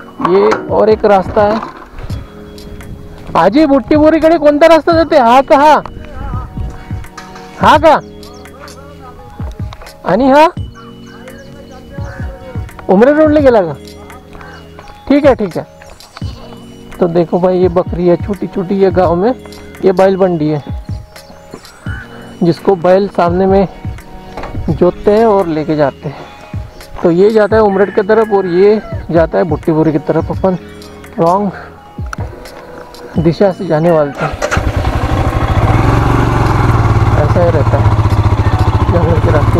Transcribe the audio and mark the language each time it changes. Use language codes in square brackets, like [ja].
[hi] ये और एक रास्ता है [mr] आजी बुट्टीपुरी कड़े, [hi] कौन सा रास्ता जाते? [mr] हा का हा, हा का आनी, हा उमरे रोड ले गेला का? [hi] ठीक है ठीक है। तो देखो भाई ये बकरी है छोटी छोटी, ये गांव में ये बैल बंडी है, जिसको बैल सामने में जोतते हैं और लेके जाते हैं। तो ये जाता है उमरेड की तरफ और ये जाता है बुट्टीपुरी की तरफ, अपन रॉन्ग दिशा से जाने वाले थे, ऐसा ही रहता है जंगल के रास्ते।